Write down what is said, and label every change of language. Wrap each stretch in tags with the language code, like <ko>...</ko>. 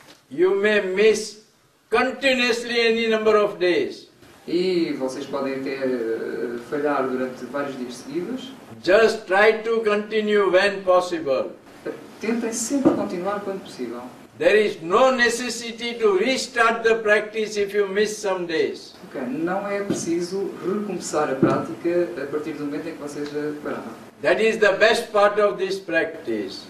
<en>You may miss continuously any number of days.</en> <pt>E vocês podem até falhar durante vários dias seguidos.</pt> <en>Just try to continue when possible.</en> <pt>Tentem sempre continuar quando possível.</pt> <en>There is no necessity to restart the practice if you miss some days.</en> <pt>Okay, não é preciso recomeçar a prática a partir do momento em que você já parou.</pt> <en>That is the best part of this practice.</en>